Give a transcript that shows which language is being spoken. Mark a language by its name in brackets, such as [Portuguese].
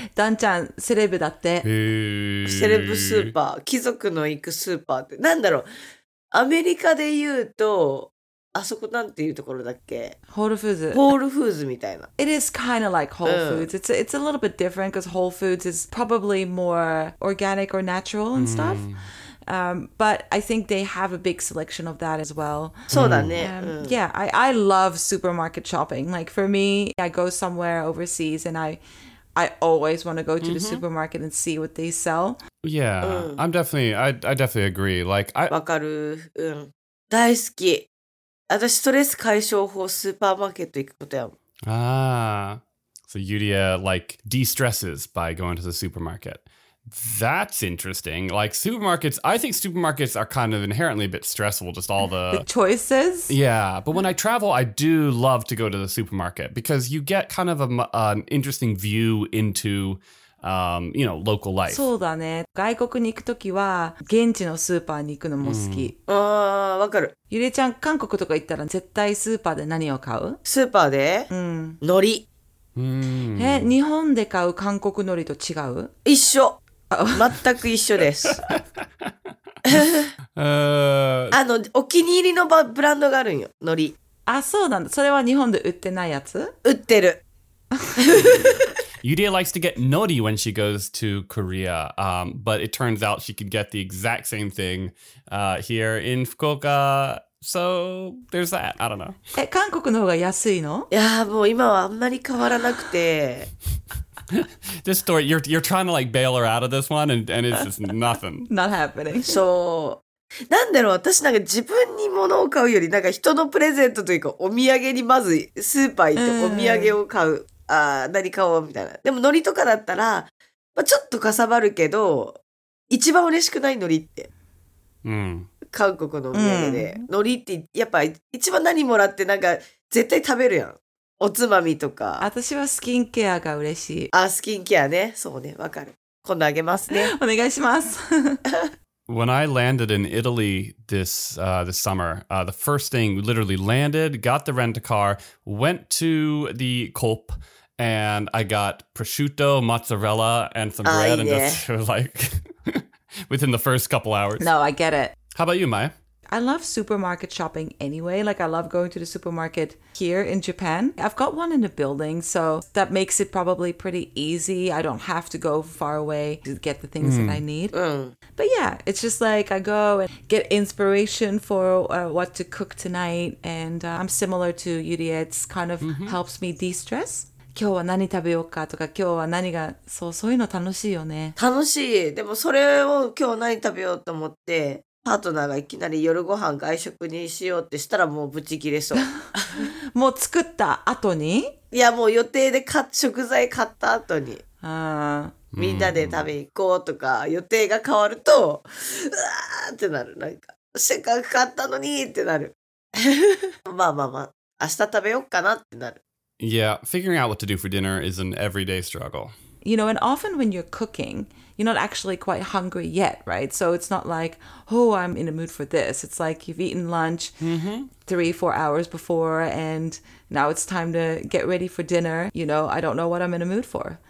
[Japanese] ダンちゃん、セレブだって。セレブスーパー。貴族の行くスーパーって。なんだろう。アメリカで言うと、あそこなんていうところだっけ？ホールフーズ。ホールフーズみたいな。 [English] It is kind of like Whole Foods.、It's a little bit different because Whole Foods is probably more organic or natural and stuff.、But I think they have a big selection of that as well. [Japanese] そうだね。 [English] Yeah, I love supermarket shopping. Like for me, I go somewhere overseas and I always want to go to the supermarket and see what they sell. Yeah, I definitely agree. Like, [Japanese] わかる。大好き。私ストレス解消法スーパーマーケット行くことや。 [English] Ah, so Yuria like de-stresses by going to the supermarket. That's interesting. Like supermarkets, I think supermarkets are kind of inherently a bit stressful, just all the choices. Yeah. But when I travel, I do love to go to the supermarket because you get kind of an interesting view into, you know, local life. [Japanese] そうだね。外国に行くときは現地のスーパーに行くのも好き。ああ、わかる。ゆりちゃん、韓国とか行ったら絶対スーパーで何を買う？スーパーで？海苔。日本で買う韓国海苔と違う？一緒。全く一緒です。あの、お気に入りのブランドがあるんよ、海苔。あ、そうなんだ。それは日本で売ってないやつ？売ってる。 [English] Yuria likes to get nori when she goes to Korea, but it turns out she can get the exact same thing here in Fukuoka. So there's that. I don't know. [Japanese] え、韓国の方が安いの？いやー、もう今はあんまり変わらなくて。 [English] This story, you're trying to like bail her out of this one and it's just nothing. Not happening. [Japanese] So, なんだろう、私なんか自分に物を買うよりなんか人のプレゼントというかお土産にまずスーパー行ってお土産を買う。ああ、何買おうみたいな。でも海苔とかだったら、まあ、ちょっとかさばるけど、一番嬉しくない海苔って。韓国のお土産で、うん、海苔ってやっぱ一番何もらってなんか絶対食べるやん。おつまみとか。私はスキンケアが嬉しい。あ、スキンケアね。そうね、わかる。今度あげますね。お願いします。 [English] When I landed in Italy this, this summer, the first thing, literally landed, got the rent a car, went to the Coop, and I got prosciutto, mozzarella, and some bread, and just like, within the first couple hours. No, I get it. How about you, Maya? I love supermarket shopping anyway. Like, I love going to the supermarket here in Japan. I've got one in the building, so that makes it probably pretty easy. I don't have to go far away to get the things that I need. But yeah, it's just like I go and get inspiration for what to cook tonight. And I'm similar to Yuri. It's kind of helps me de-stress. [Japanese] 今日は何食べようかとか今日は何がそう、そういうの楽しいよね。楽しい。でもそれを今日何食べようと思ってパートナーがいきなり夜ご飯外食にしようってしたらもうブチ切れそう。もう作った後に？いやもう予定で買っ食材買った後に。あみんなで食べ行こうとか予定が変わるとうわーってなる。なんかせっかく買ったのにってなる。まあまあまあ明日食べようかなってなる。 [English] Yeah, figuring out what to do for dinner is an everyday struggle. You know, and often when you're cooking, you're not actually quite hungry yet, right? So it's not like, oh, I'm in a mood for this. It's like you've eaten lunch 3-4 hours before, and now it's time to get ready for dinner. You know, I don't know what I'm in a mood for.